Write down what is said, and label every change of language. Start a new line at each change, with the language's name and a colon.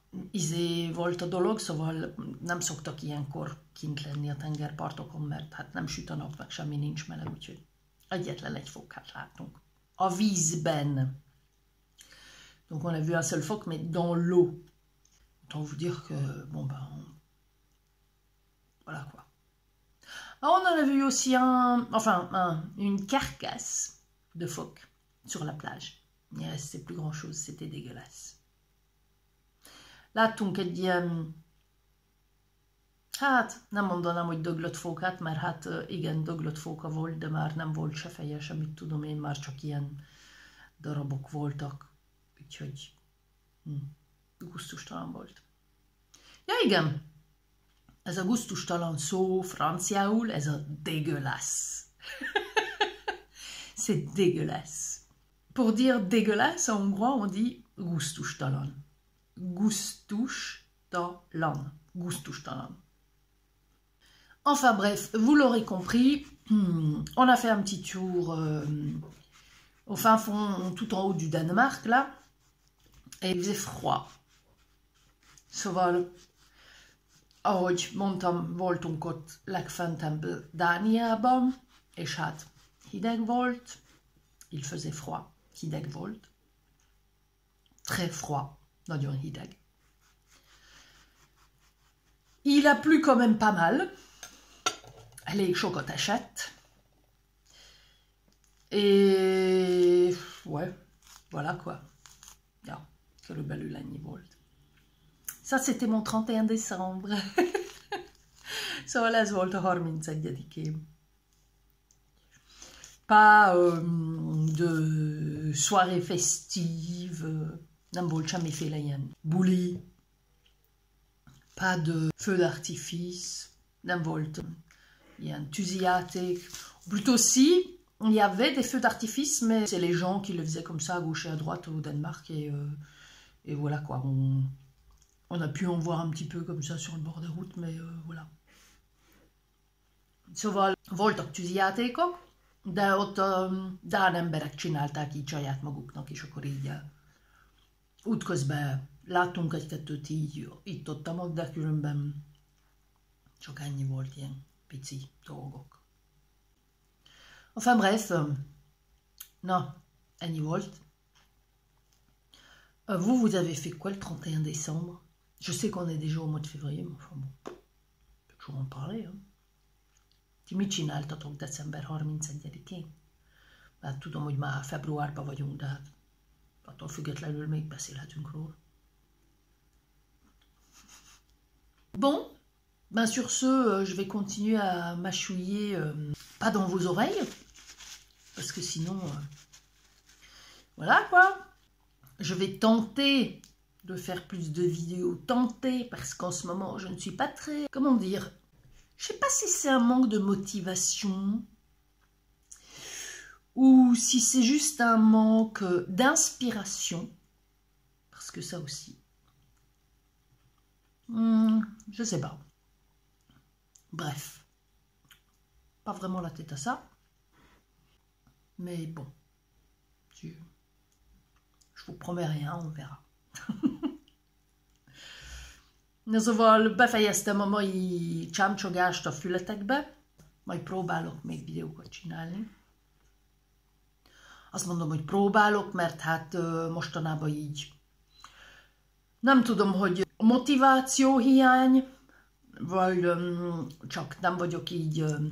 Hungarian: Izé volt a dolog, szóval nem szoktak ilyenkor kint lenni a tengerpartokon, mert hát nem süt a nap, meg semmi nincs meleg, úgyhogy egyetlen egy fokát látunk. A vízben.
French: Donc on a vu un seul fok, mais dans l'eau. Autant vous dire que, bon ben, voilà quoi. Ah, on en a vu aussi une carcasse de fok sur la plage. Il ne restait plus grand chose, c'était dégueulasse.
Hungarian: Láttunk egy ilyen, hát nem mondanám, hogy döglött fókát, mert hát igen, döglött fóka volt, de már nem volt se feje, semmit tudom én, már csak ilyen darabok voltak, úgyhogy gusztustalan volt. Ja igen, ez a gusztustalan szó franciául, ez a dégueulasse.
French: C'est dégueulasse. Pour dire dégueulasse, en hongrois, on dit gusztustalan.
Hungarian: Gustustalan. Gustustalan.
French: Enfin bref, vous l'aurez compris, on a fait un petit tour au fin fond, tout en haut du Danemark, là, et il faisait froid. Ce vol.
Hungarian: Ahogy mondtam, voltunk ott legfentebb Dániában, és hát hideg volt.
French: Il faisait froid.
Hungarian: Hideg volt.
French: Très froid.
Hungarian: Nagyon hideg.
French: Il a plu quand même pas mal. Elle est
Hungarian: sokat esett.
French: Et ouais, voilà quoi.
Hungarian: Ja, körülbelül ennyi volt.
French: Ça, c'était mon 31 décembre.
Hungarian: Szóval ez volt a 31-ém.
French: Pas de soirée festive.
Hungarian: Nem volt semmi féle ilyen buli,
French: pas de feu d'artifice,
Hungarian: nem volt ilyen tűzijáték.
French: Plutôt si, il y avait des feux d'artifice, mais c'est les gens qui le faisaient comme ça, à gauche et à droite au Danemark, et voilà quoi, on a pu en voir un petit peu comme ça sur le bord des routes, mais voilà.
Hungarian: Szóval voltak tűzijátékok, de ott dán emberek csinálták így saját maguknak, és akkor így útközben láttunk egy-kettőt így, itt ott, ott, de különben csak ennyi volt ilyen pici dolgok.
French: Enfin bref,
Hungarian: na, ennyi volt.
French: Vous, vous avez fait quoi le 31 décembre? Je sais qu'on est déjà au mois de février, mais enfin bon, peut toujours en parler. Hein?
Hungarian: Ti mit csináltatok december 31-én? Bah, tudom, hogy már februárban vagyunk, de hát attól függetlenül még beszélhetünk róla.
French: Bon, ben sur ce, je vais continuer à mâchouiller, pas dans vos oreilles, parce que sinon, voilà quoi. Je vais tenter de faire plus de vidéos, tenter, parce qu'en ce moment, je ne suis pas très... Comment dire? Je ne sais pas si c'est un manque de motivation ou si c'est juste un manque d'inspiration, parce que ça aussi. Je sais pas. Bref, pas vraiment la tête à ça. Mais bon, je vous promets rien, on verra.
Hungarian: Na zoval, befejeztem a mai csámcsogást a fületekbe, majd próbálok még videókat csinálni. Azt mondom, hogy próbálok, mert hát mostanában így. Nem tudom, hogy a motiváció hiány, vagy csak nem vagyok így.